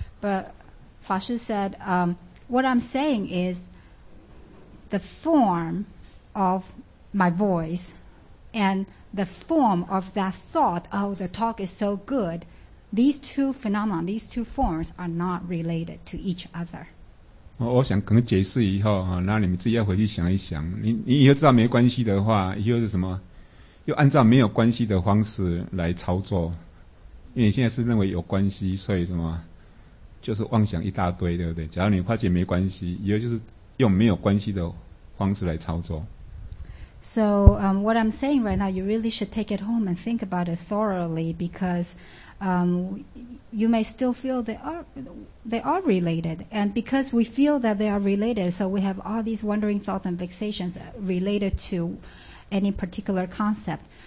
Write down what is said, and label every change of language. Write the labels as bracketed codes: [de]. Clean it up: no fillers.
[en] But Fashu said, what I'm saying is the form of my voice and the form of that thought, oh, the talk is so good, these two phenomena, these two forms are not related to each other. [zh] 我想可能解释以后，那你们自己要回去想一想。你以后知道没关系的话，以后是什么？又按照没有关系的方式来操作，因为你现在是认为有关系，所以什么？就是妄想一大堆，对不对？假如你发觉没关系，也就是用没有关系的方式来操作。 [en] So, what I'm saying right now, you really should take it home and think about it thoroughly, because, you may still feel they are related, and because we feel that they are related, so we have all these wandering thoughts and vexations related to any particular concept.